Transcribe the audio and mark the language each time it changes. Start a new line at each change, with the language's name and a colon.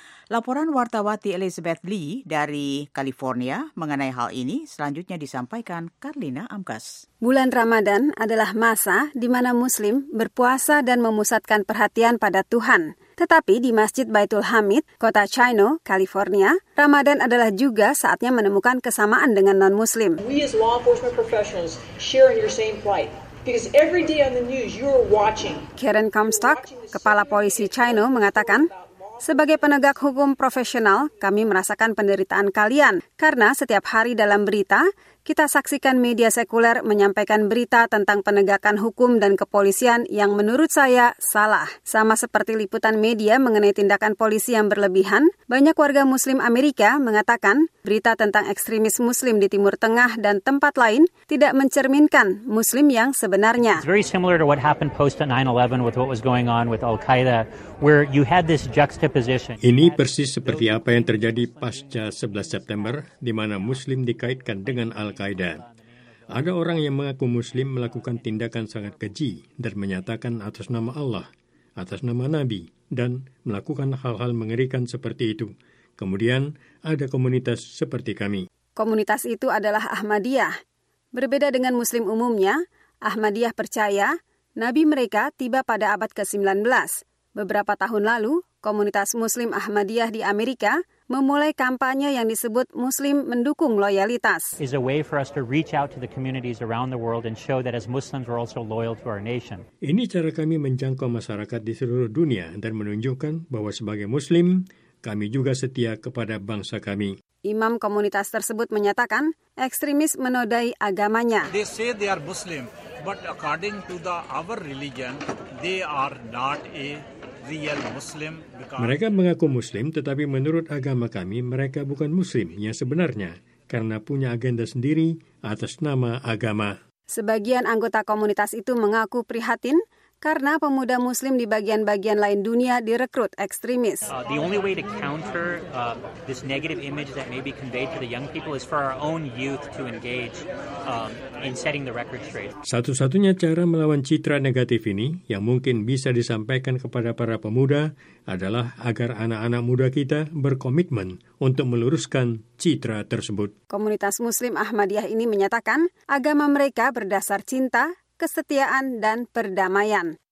Indonesian: Laporan wartawati Elizabeth Lee dari California mengenai hal ini selanjutnya disampaikan Karlina Amkas. Bulan Ramadan adalah masa di mana Muslim berpuasa dan memusatkan perhatian pada Tuhan. Tetapi di Masjid Baitul Hamid, kota Chino, California, Ramadan adalah juga saatnya menemukan kesamaan dengan non-Muslim.
English: We as law enforcement professionals share in your same plight. Because every day on the news you're watching.
Indonesian: Karen Comstock, kepala polisi Chino, mengatakan, sebagai penegak hukum profesional, kami merasakan penderitaan kalian, karena setiap hari dalam berita, kita saksikan media sekuler menyampaikan berita tentang penegakan hukum dan kepolisian yang menurut saya salah. Sama seperti liputan media mengenai tindakan polisi yang berlebihan, banyak warga Muslim Amerika mengatakan berita tentang ekstremis Muslim di Timur Tengah dan tempat lain tidak mencerminkan Muslim yang sebenarnya.
English: It's very similar to what happened post 9/11 with what was going on with Al Qaeda, where you had this juxtaposition.
Indonesian: Ini persis seperti apa yang terjadi pasca 11 September, di mana Muslim dikaitkan dengan Al-Qaeda. Ada orang yang mengaku Muslim melakukan tindakan sangat keji dan menyatakan atas nama Allah, atas nama Nabi, dan melakukan hal-hal mengerikan seperti itu. Kemudian ada komunitas seperti kami. Komunitas itu adalah Ahmadiyah. Berbeda dengan Muslim umumnya, Ahmadiyah percaya Nabi mereka tiba pada abad ke-19. Beberapa tahun lalu, komunitas Muslim Ahmadiyah di Amerika memulai kampanye yang disebut Muslim Mendukung Loyalitas.
English: Is a way for us to reach out to the communities around the world and show that as Muslims we're also loyal to our nation.
Indonesian: Ini cara kami menjangkau masyarakat di seluruh dunia dan menunjukkan bahwa sebagai Muslim, kami juga setia kepada bangsa kami. Imam komunitas tersebut menyatakan ekstremis menodai agamanya.
English: They say they are Muslim, but according to our religion, they are not a real Muslim.
Indonesian: Mereka mengaku Muslim, tetapi menurut agama kami mereka bukan Muslim yang sebenarnya, karena punya agenda sendiri atas nama agama. Sebagian anggota komunitas itu mengaku prihatin karena pemuda Muslim di bagian-bagian lain dunia direkrut ekstremis.
English: The only way to counter this negative image that may be conveyed to the young people is for our own youth to engage in setting the record straight.
Indonesian: Satu-satunya cara melawan citra negatif ini yang mungkin bisa disampaikan kepada para pemuda adalah agar anak-anak muda kita berkomitmen untuk meluruskan citra tersebut. Komunitas Muslim Ahmadiyah ini menyatakan agama mereka berdasar cinta, kesetiaan, dan perdamaian.